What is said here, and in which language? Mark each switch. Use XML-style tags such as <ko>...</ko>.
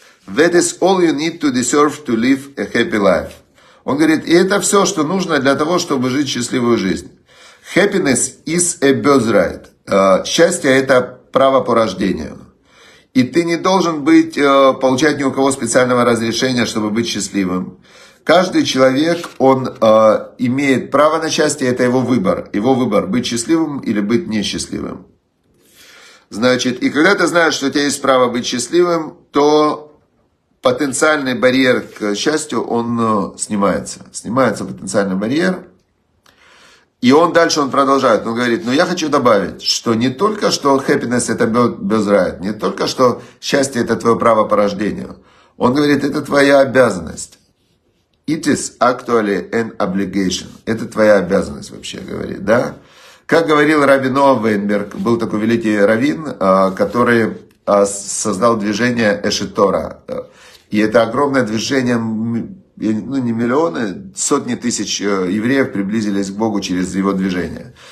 <en>That is all you need to deserve to live a happy life.</en> <ru>Он говорит, и это все, что нужно для того, чтобы жить счастливую жизнь.</ru> <en>Happiness is a birthright.</en> <ru>Счастье – это право по рождению. И ты не должен быть, получать ни у кого специального разрешения, чтобы быть счастливым. Каждый человек, он имеет право на счастье, это его выбор. Его выбор – быть счастливым или быть несчастливым. Значит, и когда ты знаешь, что у тебя есть право быть счастливым, то потенциальный барьер к счастью, он снимается. Снимается потенциальный барьер. И он дальше, он продолжает, он говорит, ну я хочу добавить, что не только, что happiness это birthright, не только, что счастье это твое право по рождению. Он говорит, это твоя обязанность.</ru> <en>It is actually an obligation.</en> <ru>Это твоя обязанность вообще, говорит, да? Как говорил Рави Ноа Вейнберг, был такой великий раввин, который создал движение Эшитора. И это огромное движение, ну не миллионы, сотни тысяч евреев приблизились к Богу через его движение.</ru>